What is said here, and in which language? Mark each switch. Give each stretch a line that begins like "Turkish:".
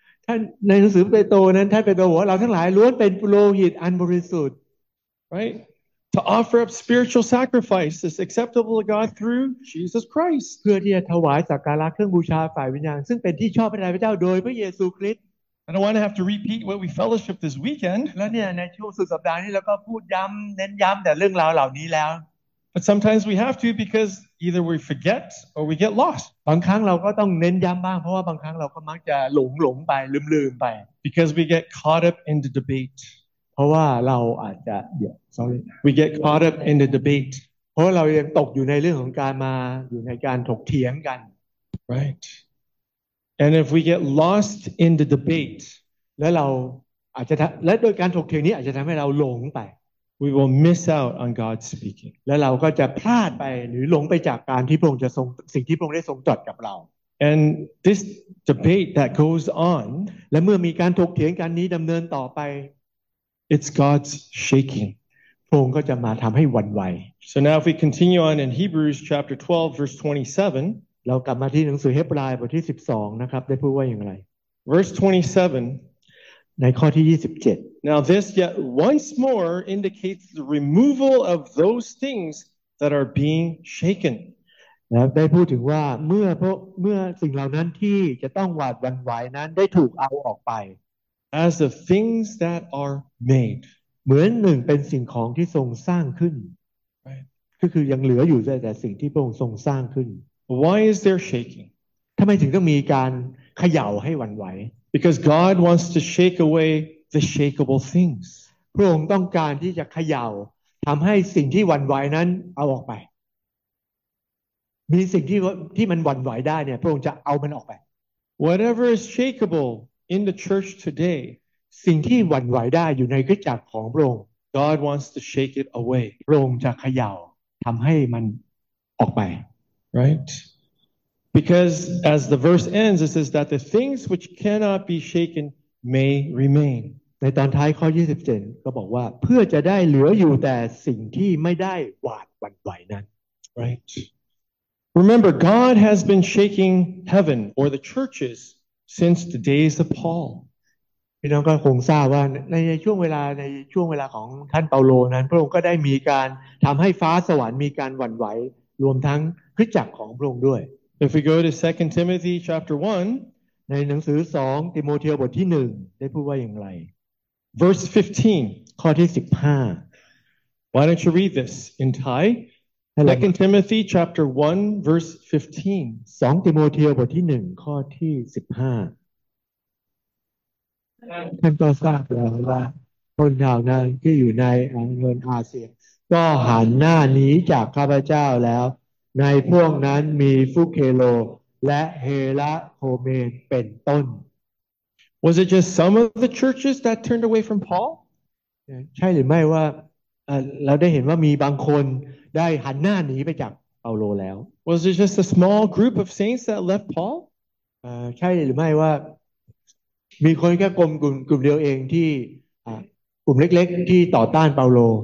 Thai: ท่านในหนังสือเปโตรนั้นท่านเปโตรบอกว่าเราทั้งหลายล้วนเป็นปุโรหิตอันบริสุทธิ์
English: right to offer up spiritual sacrifices acceptable to god through jesus christ
Thai: เพื่อที่จะถวายสักการะเครื่องบูชาฝ่ายวิญญาณซึ่งเป็นที่ชอบพระทัยพระเจ้าโดยพระเยซูคริสต์
English: and I want to have to repeat what we fellowship this weekend
Thai: แล้วเนี่ยในช่วงสุดสัปดาห์นี้เราก็พูดย้ำเน้นย้ำแต่เรื่องราวเหล่านี้แล้ว
English: but sometimes we have to because either we forget or we get lost
Thai: บางครั้งเราก็ต้องเน้นย้ำบ้างเพราะว่าบางครั้งเราก็มักจะหลงไปลืมไป
English: because we get caught up in the debate
Thai: เพราะว่าเราอาจจะเดี๋ยว
English: sorry we get caught up in the debate
Thai: เพราะเรายังตกอยู่ในเรื่องของการมาอยู่ในการถกเถียงกัน
English: right and if we get lost in the debate
Thai: แล้วเราอาจจะและโดยการถกเถียงนี้อาจจะทำให้เราหลงไป
English: we will miss out on God speaking
Thai: แล้วเราก็จะพลาดไปหรือหลงไปจากการที่พระองค์จะทรงสิ่งที่พระองค์ได้ทรงตรัสกับเรา
English: and this debate that goes on
Thai: และเมื่อมีการถกเถียงกันนี้ดำเนินต่อไป
English: It's God's shaking.
Thai: พระองค์ก็จะมาทำให้หวั่นไหว
English: So now if we continue on in Hebrews chapter 12 verse 27.
Thai: เรากลับมาที่หนังสือเฮบรายบทที่12นะครับได้พูดว่าอย่างไร
English: Verse 27.
Thai: ในข้อที่27.
English: Now this yet once more indicates the removal of those things that are being shaken.
Thai: นะได้พูดถึงว่าเมื่อสิ่งเหล่านั้นที่จะต้องหวั่นไหวนั้นได้ถูกเอาออกไป
English: As the things that are made.
Thai: เหมือนหนึ่งเป็นสิ่งของที่ทรงสร้างขึ้น
English: Right.
Thai: ก็คือยังเหลืออยู่แต่สิ่งที่พระองค์ทรงสร้างขึ้น
English: Why is there shaking?
Thai: ทำไมถึงต้องมีการเขย่าให้หวั่นไหว
English: Because God wants to shake away the shakeable things.
Thai: พระองค์ต้องการที่จะเขย่าทำให้สิ่งที่หวั่นไหวนั้นเอาออกไปมีสิ่งที่มันหวั่นไหวได้เนี่ยพระองค์จะเอามันออกไป
English: Whatever is shakeable. In the church today,
Thai: สิ่งที่หวั่นไหวได้อยู่ในคริสตจักรของพระองค์
English: God wants to shake it away.
Thai: พระองค์จะเขย่าทำให้มันออกไป
English: Right? Because as the verse ends, it says that the things which cannot be shaken may remain.
Thai: ในตอนท้ายข้อ27ก็บอกว่าเพื่อจะได้เหลืออยู่แต่สิ่งที่ไม่ได้หวั่นไหวนั้น
English: Right? Remember, God has been shaking heaven or the churches. Since the days of Paul,
Thai: พี่น้องก็คงทราบว่าในช่วงเวลาของท่านเปาโลนั้นพระองค์ก็ได้มีการทำให้ฟ้าสวรรค์มีการหวั่นไหวรวมทั้งคริสตจักรของพระองค์ด้วย
English: If we go to 2 Timothy chapter 1,
Thai: ในหนังสือ2ติโมเธียบทที่1ได้พูดว่าอย่างไร
English: Verse 15,
Thai: ข้อที่15
English: Why don't you read this in Thai? 2 Timothy chapter 1 verse 15
Thai: 2 ติโมธีบทที่1ข้อที่15ท่านก็ทราบแล้วว่าคนเหล่านั้นที่อยู่ในเมืองอาเซียก็หันหน้าหนีจากข้าพเจ้าแล้วในพวกนั้นมีฟุเคโลและเฮลาโคเมนเป็นต้น
English: Was it just some of the churches that turned away from Paul?
Thai: ใช่หรือไม่ว่าเราได้เห็นว่ามีบางคนได้หันหน้าหนีไปจากเปาโลแล้ว
English: Was it just a small group of saints that left Paul?
Thai: ใช่หรือไม่ว่ามีคนแค่กลุ่มเดียวเองที่กลุ่มเล็กๆที่ต่อต้านเปาโล